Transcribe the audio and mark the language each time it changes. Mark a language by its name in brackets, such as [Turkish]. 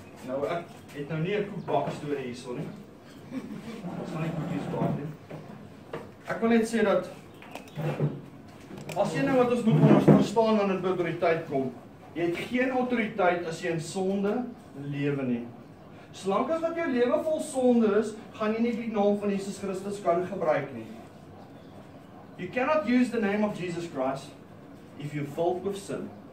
[Afrikaans] Nou, ek het nou nie een koekbak story hier, sorry. Ons gaan nie koekies bak doen. Ek wil net sê dat, as jy nou wat ons moet verstaan aan het autoriteit kom, jy het geen autoriteit as jy in sonde lewe nie. Solank as wat jou lewe vol sonde is, gaan jy nie die naam van Jesus Christus kan gebruik nie. [English] You cannot use the name of Jesus Christ if you're filled with sin.